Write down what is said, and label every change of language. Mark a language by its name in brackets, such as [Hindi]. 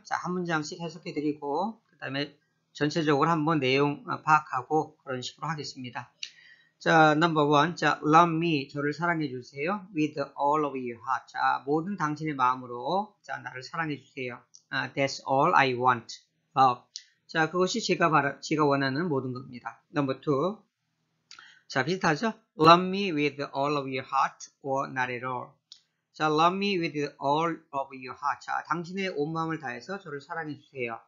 [Korean] 자, 한 문장씩 해석해 드리고, 그 다음에 전체적으로 한번 내용 파악하고 그런 식으로 하겠습니다. 자, 넘버 원. 자, [English] love me. [Korean] 저를 사랑해 주세요. [English] With all of your heart. [Korean] 자, 모든 당신의 마음으로. 자, 나를 사랑해 주세요. [English] That's all I want. Love. [Korean] 자, 그것이 제가 원하는 모든 겁니다. 넘버 투. 자, 비슷하죠? [English] Love me with all of your heart or not at all. 자, love me with all of your heart. [Korean] 자, 당신의 온 마음을 다해서 저를 사랑해 주세요.